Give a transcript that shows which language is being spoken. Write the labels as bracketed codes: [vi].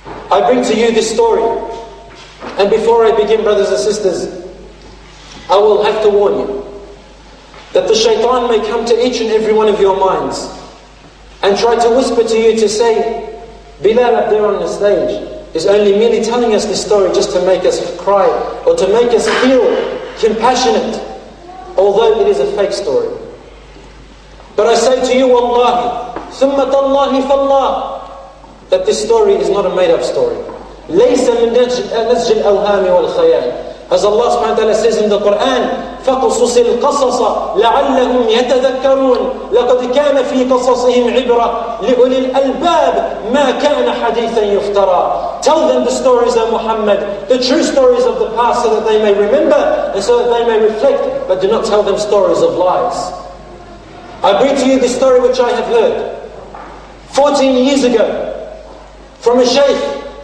[en] I bring to you this story. And before I begin, brothers and sisters, I will have to warn you that the shaitan may come to each and every one of your minds and try to whisper to you to say, Bilal up there on the stage is only merely telling us this story just to make us cry or to make us feel compassionate, although it is a fake story. But I say to you, Wallahi, [ar] ثُمَّ تَاللَّهِ فَاللَّهِ, [en] that this story is not a made-up story. [ar] لَيْسَ مِنْ نَزْجِ الْأَوْهَامِ وَالْخَيَالِ. [en] As Allah subhanahu wa ta'ala says in the Qur'an, [ar] فَقُصُصِ الْقَصَصَ لَعَلَّهُمْ يَتَذَكَّرُونَ لَقَدْ كَانَ فِي قَصَصِهِمْ عِبْرَةً لِأُولِي الْأَلْبَابِ مَا كَانَ حَدِيثًا يُفْتَرَى. [en] Tell them the stories of Muhammad, the true stories of the past, so that they may remember and so that they may reflect, but do not tell them stories of lies. I bring to you this story which I have heard 14 years ago from a sheikh.